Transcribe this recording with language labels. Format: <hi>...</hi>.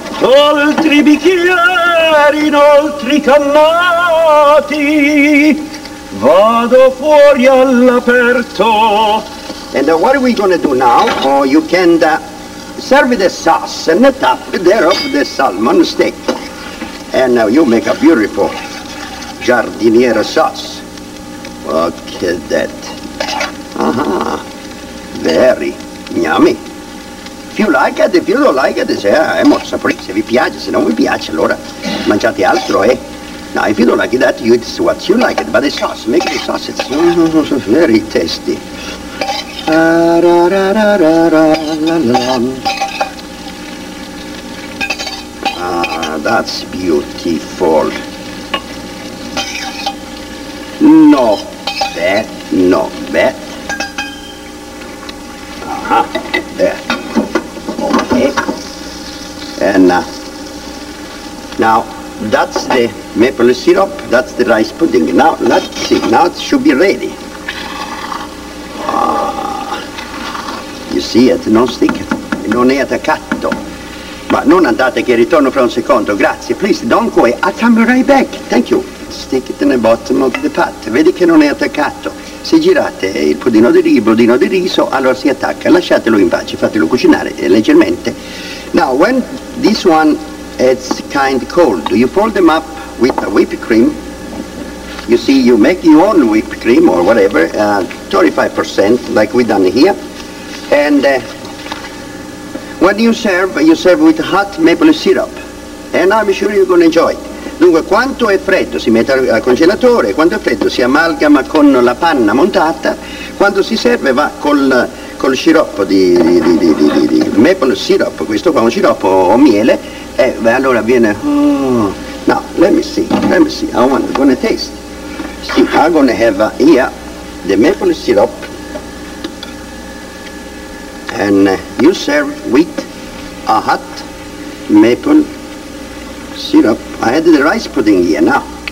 <it>Oltre i bicchieri, inoltre i cannati, vado fuori all'aperto.</it> <en>And what are we gonna do now? Oh, you can serve the sauce and the top there of the salmon steak. And now you make a beautiful giardiniera sauce. Look at that. Very yummy. If you like it, if you don't like it, say, ah,</en> <it>è molto saporito. Se vi piace, se non vi piace, allora mangiate altro, eh.</it> <en>Now, if you don't like that, you eat what you like it. But the sauce, make the sauce, it's very tasty. Ah, that's beautiful. No, that, no, that. And now, that's the maple syrup, that's the rice pudding. Now, let's see, now it should be ready. You see it, non stick,</en> <it>non è attaccato. Ma non andate che ritorno fra un secondo, grazie.</it> <en>Please, don't go, I'll come right back, thank you. Stick it in the bottom of the pot,</en> <it>vedi che non è attaccato. Se girate il pudino di riso, allora si attacca. Lasciatelo in pace, fatelo cucinare leggermente.</it> <en>Now, when this one is kind cold, you fold them up with a whipped cream. You see, you make your own whipped cream or whatever, 25%, like we done here. And when you serve with hot maple syrup. And I'm sure you're going to enjoy it.</en> <it>Dunque, quanto è freddo si mette al congelatore, quanto è freddo si amalgama con la panna montata, quando si serve va col sciroppo di maple syrup, questo qua è un sciroppo o miele, e beh, allora viene...</it> <en>Oh, no, let me see, I'm gonna taste. Sì, I'm gonna have here the maple syrup, and you serve with a hot maple syrup. I had the rice pudding here now.</en>